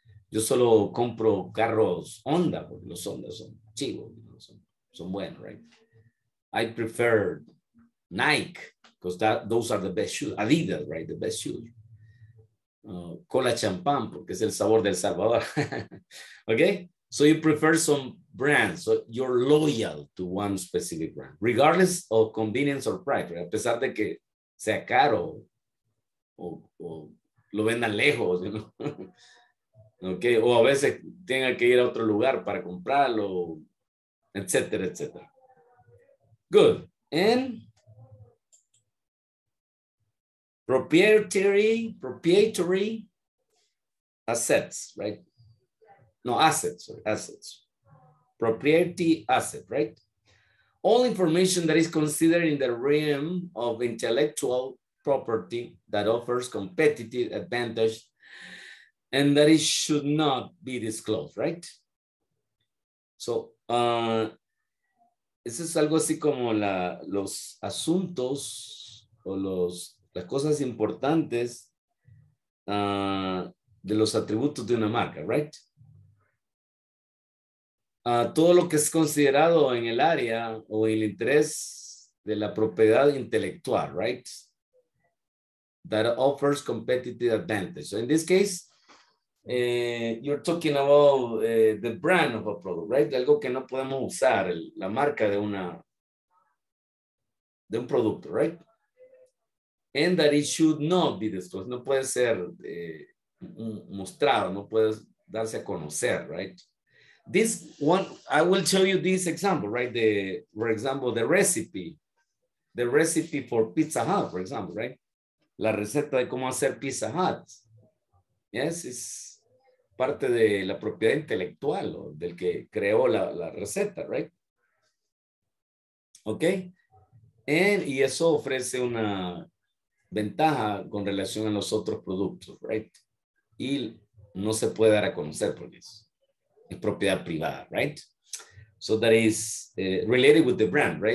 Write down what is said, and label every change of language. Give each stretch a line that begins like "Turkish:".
Spanish: Yo solo compro carros Honda, porque los Honda son chivos, ¿no? son buenos, right?
English: I prefer Nike, because those are the best shoes. Adidas, right? The best shoes.
Spanish: Cola champán, porque es el sabor del Salvador.
English: Okay? So you prefer some brands. So you're loyal to one specific brand, regardless of convenience or price, right?
Spanish: A pesar de que sea caro o lo vendan lejos,
English: you know? Okay?
Spanish: O a veces tenga que ir a otro lugar para comprarlo, etcétera, etcétera.
English: Good. And proprietary assets, right? No, assets. Property asset, right? All information that is considered in the realm of intellectual property that offers competitive advantage and that it should not be disclosed, right?
Spanish: So, eso es algo así como los asuntos o las cosas importantes de los atributos de una marca, right? Todo lo que es considerado en el área o el interés de la propiedad intelectual, right?
English: That offers competitive advantage. So in this case, you're talking about the brand of a product, right?
Spanish: De algo que no podemos usar, la marca de un producto, right?
English: And that it should not be disclosed.
Spanish: No puede ser mostrado, no puede darse a conocer, right?
English: This one, I will show you this example, right? The recipe for Pizza Hut, for example, right?
Spanish: La receta de cómo hacer Pizza Hut.
English: Yes, it's
Spanish: parte de la propiedad intelectual o del que creó la receta, right? Okay. Y eso ofrece una ventaja con relación a los otros productos, right? Y no se puede dar a conocer por eso. Es propiedad privada, right?
English: So that is related with the brand, right?